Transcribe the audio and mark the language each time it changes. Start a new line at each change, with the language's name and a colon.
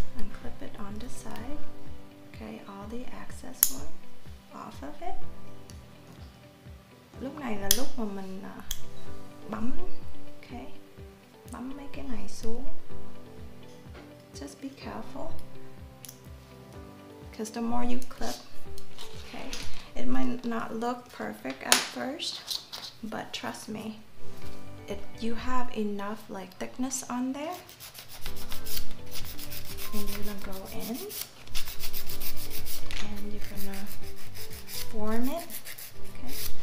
English: And clip it on the side, okay, all the excess one off of it.
Vietnamese: Lúc này là lúc mà mình bấm, okay, bấm mấy cái này xuống.
English: Just be careful, because the more you clip, okay, it might not look perfect at first, but trust me, if you have enough like thickness on there, and you're gonna go in and you're gonna form it, okay?